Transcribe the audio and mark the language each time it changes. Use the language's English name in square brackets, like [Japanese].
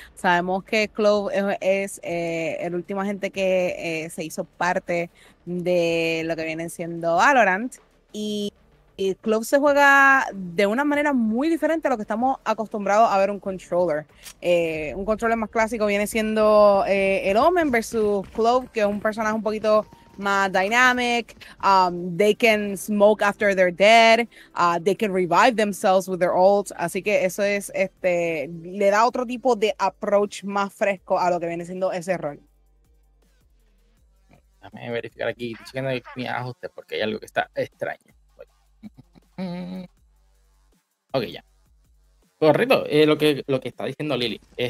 [Spanish] Sabemos que Clove es el último agente que se hizo parte de lo que viene siendo Valorant. Y Clove se juega de una manera muy diferente a lo que estamos acostumbrados a ver un controller. Un controller más clásico viene siendo el Omen versus Clove, que es un personaje un poquito más dynamic. [English] They can smoke after they're dead. They can revive themselves with their ult. [Spanish] Así que eso es, le da otro tipo de approach más fresco a lo que viene siendo ese rol. Déjame verificar aquí, chequeando mi ajuste porque hay algo que está extraño. Ok, ya. Correcto, lo que está diciendo Lily.